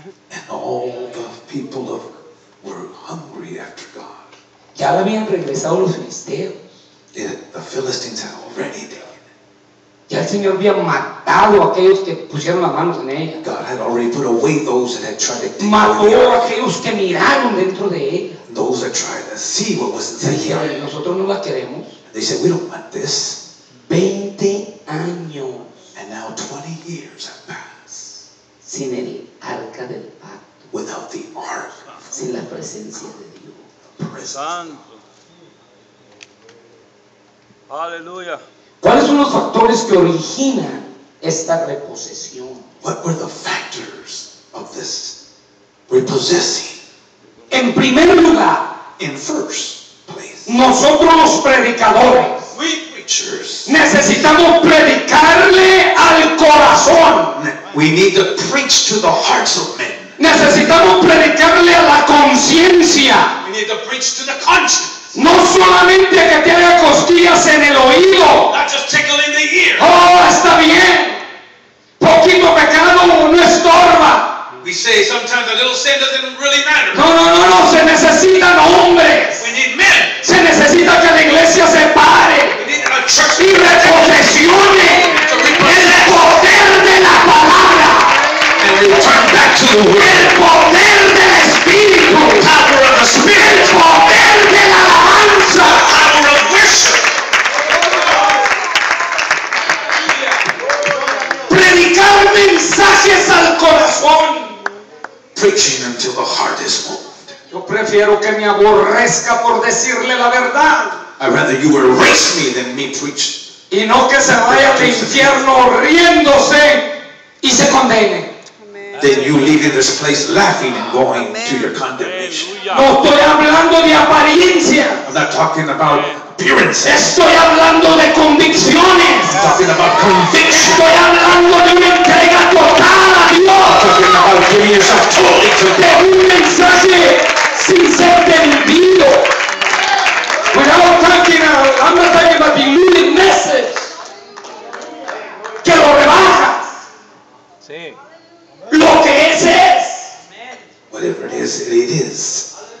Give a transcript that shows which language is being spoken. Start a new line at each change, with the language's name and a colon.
English: And all the people of were hungry after God.
Spanish: Ya le habían regresado los filisteos.
English: The Philistines had already died.
Spanish: Ya el Señor había matado a aquellos que pusieron las manos en ella.
English: God had already put away those that had tried to take.
Spanish: Mató a aquellos que miraron dentro de ella.
English: Those that tried to see what was inside.
Spanish: Dijeron, nosotros no la queremos.
English: They said, we don't want this.
Spanish: 20 años.
English: And now 20 years have passed.
Spanish: Sin el arca del pacto.
English: Without the ark.
Spanish: Sin la presencia de Dios. Santo. Aleluya. ¿Cuáles son los factores que originan esta reposesión?
English: What were the factors of this repossessing?
Spanish: En primer lugar.
English: In first place.
Spanish: Nosotros los predicadores.
English: We preachers.
Spanish: Necesitamos predicarle al corazón.
English: We need to preach to the hearts of men.
Spanish: Necesitamos predicarle a la conciencia.
English: We need to preach to the conscience.
Spanish: No solamente que te haga cosquillas en el oído.
English: Not just tickling the ear.
Spanish: Oh, está bien. Poquito pecado no estorba.
English: We say sometimes a little sin doesn't really matter.
Spanish: No, no, no, no, se necesitan hombres.
English: We need men.
Spanish: Se necesita que la iglesia se pare.
English: We need a church.
Spanish: Y reposesione el poder de la palabra.
English: And we turn back to the word.
Spanish: El poder del espíritu.
English: The power of the spirit.
Spanish: El poder de la alabanza.
English: The power of worship.
Spanish: Predicar mensajes al corazón.
English: Preaching until the heart is moved.
Spanish: Yo prefiero que me aborrezca por decirle la verdad.
English: I'd rather you erase me than me preach.
Spanish: Y no que se vaya al infierno riéndose y se condene.
English: Then you leave this place laughing and going to your condemnation.
Spanish: No estoy hablando de apariencia.
English: I'm not talking about appearances.
Spanish: Estoy hablando de convicciones.
English: I'm talking about conviction.
Spanish: Estoy hablando de una entrega total a Dios.
English: I'm talking about giving yourself totally to God.
Spanish: De un mensaje sin ser vendido. Cuidado,
English: I'm not talking about the moving message.
Spanish: Que lo rebajas. Sí. Lo que es.
English: Whatever it is, it is.